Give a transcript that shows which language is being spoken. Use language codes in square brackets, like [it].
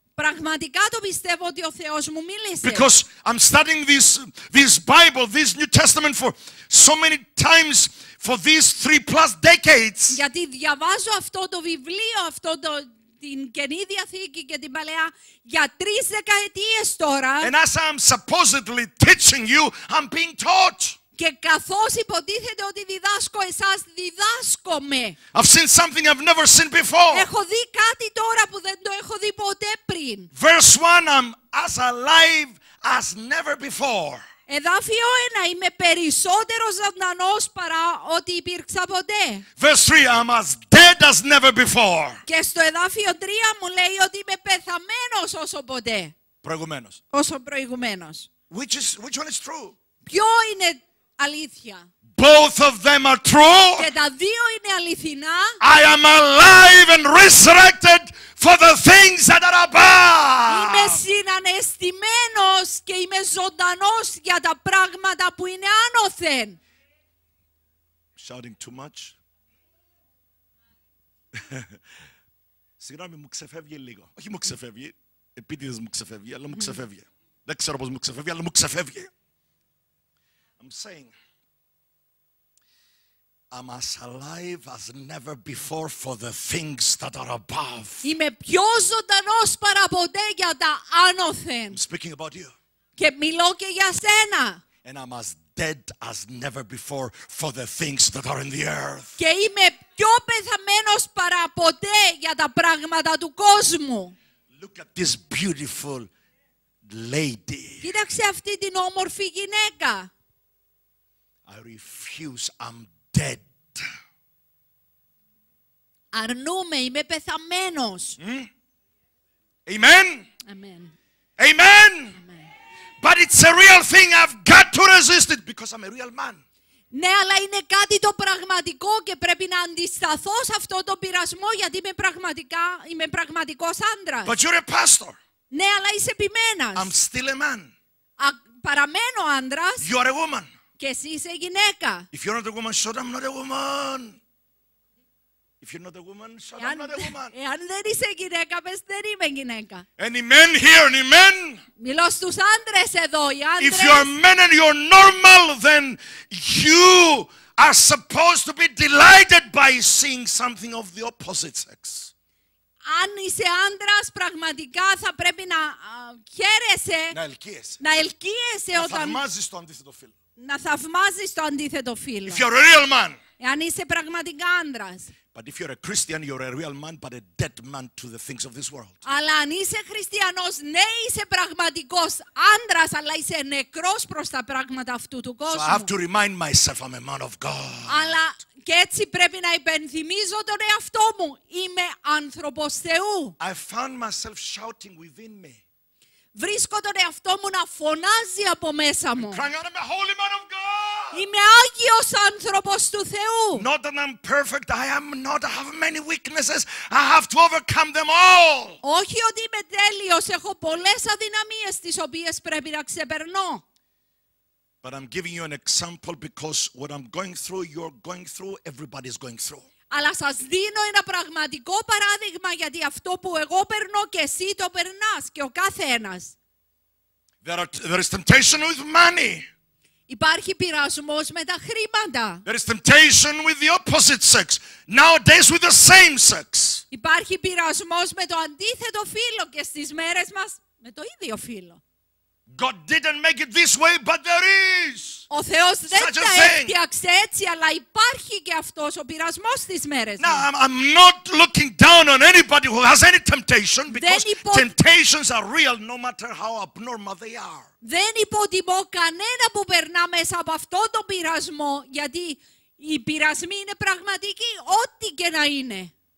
[el] Πραγματικά το πιστεύω ότι ο Θεός μου μίλησε. [en] Because I'm studying this Bible, this New Testament for so many times for these 3+ decades. [el] Γιατί διαβάζω αυτό το βιβλίο, αυτό το την Καινή Διαθήκη και την Παλαιά για 3 δεκαετίες τώρα. [en] And as I'm supposedly teaching you, I'm being taught. [el] Και καθώς υποτίθεται ότι διδάσκω εσάς, διδάσκομαι. [en] I've seen something I've never seen before. [el] Έχω δει κάτι τώρα που δεν το έχω δει ποτέ πριν. [en] Verse 1, I'm as alive as never before. [el] Εδάφιο 1, είμαι περισσότερο ζωντανός παρά ότι υπήρξα ποτέ. [en] Verse 3, I'm as dead as never before. [el] Και στο εδάφιο 3 μου λέει ότι είμαι πεθαμένος όσο ποτέ. Προηγουμένος. Όσο προηγουμένος. [en] Which one is true? [el] Ποιο είναι αλήθεια? [en] Both of them are true. [el] Και τα δύο είναι αληθινά. [en] I am alive and resurrected for the things that are above. [el] Είμαι συνανεστημένος και είμαι ζωντανός για τα πράγματα που είναι άνωθεν. [en] Shouting too much. [el] Συγγνώμη, μου ξεφεύγει λίγο. Όχι μου ξεφεύγει. Επίτηδες μου ξεφεύγει, αλλά μου ξεφεύγει. Δεν ξέρω πώς μου ξεφεύγει, αλλά μου ξεφεύγει. [en] I'm saying, I'm as alive as never before for the things that are above. [el] Είμαι πιο ζωντανός παρά ποτέ για τα άνωθεν. [en] I'm speaking about you. [el] Και μιλώ και για σένα. [en] And I'm as dead as never before for the things that are in the earth. [el] Και είμαι πιο πεθαμένος παρά ποτέ για τα πράγματα του κόσμου. [en] Look at this beautiful lady. [el] Κοίταξε αυτή την όμορφη γυναίκα. [en] I refuse, I'm dead. [el] Αρνούμε, είμαι πεθαμένος. Amen. Amen. Amen. [en] But it's a real thing, I've got to resist it because I'm a real man. [el] Ναι, αλλά είναι κάτι το πραγματικό και πρέπει να αντισταθώ σε αυτό το πειρασμό γιατί είμαι πραγματικός άντρας. [en] But you're a pastor. [el] Ναι, αλλά είσαι ποιμένας. [en] I'm still a man. [el] Παραμένω άντρας. [en] You are a woman. [el] Και εσύ είσαι γυναίκα. [en] If you're not a woman, shut up, I'm not a woman. If you're not a woman, shut up, I'm not a woman. [el] Εάν δεν είσαι γυναίκα, πες δεν είμαι γυναίκα. [en] Any men here, any men? [el] Μιλώ στους άντρες εδώ, οι άντρες. [en] If you're a man and you're normal, then you are supposed to be delighted by seeing something of the opposite sex. [el] Αν είσαι άντρας, πραγματικά θα πρέπει να χαίρεσαι. Να ελκύεσαι όταν... Να θαυμάζεις το αντίθετο φίλο. Να θαυμάζεις το αντίθετο φίλο. [en] If you're a real man. [el] Εάν είσαι πραγματικά άντρας. [en] But if you're a Christian, you're a real man, but a dead man to the things of this world. [el] Αλλά αν είσαι χριστιανός, ναι, είσαι πραγματικός άντρας, αλλά είσαι νεκρός προς τα πράγματα αυτού του κόσμου. [en] So I have to remind myself I'm a man of God. [el] Αλλά και έτσι πρέπει να υπενθυμίζω τον εαυτό μου. Είμαι άνθρωπος Θεού. [en] I found myself shouting within me. [el] Βρίσκω τον εαυτό μου να φωνάζει από μέσα μου. [en] I'm a holy man of God. [el] Είμαι Άγιος άνθρωπος του Θεού. [en] Not that I'm perfect, I am not. I have many weaknesses. I have to overcome them all. [el] Όχι ότι είμαι τέλειος, έχω πολλές αδυναμίες τις οποίες πρέπει να ξεπερνώ. [en] But I'm giving you an example because what I'm going through, you're going through, everybody's going through. [el] Αλλά σας δίνω ένα πραγματικό παράδειγμα γιατί αυτό που εγώ περνώ και εσύ το περνάς και ο καθένας. [en] There is temptation with money. [el] Υπάρχει πειρασμός με τα χρήματα. [en] There is temptation with the opposite sex. Nowadays with the same sex. [el] Υπάρχει πειρασμός με το αντίθετο φύλο και στις μέρες μας με το ίδιο φύλο. [en] God didn't make it this way, but there is. [el] Ο Θεός δεν τα έφτιαξε έτσι, αλλά υπάρχει και αυτός ο πειρασμός στις μέρες μας. [en] Now I'm not looking down on anybody who has any temptation because temptations are real, no matter how abnormal they are. [el] Δεν υποτιμώ κανένα που περνά μέσα από αυτό το πειρασμό, γιατί οι πειρασμοί είναι πραγματικοί, ό,τι και να είναι.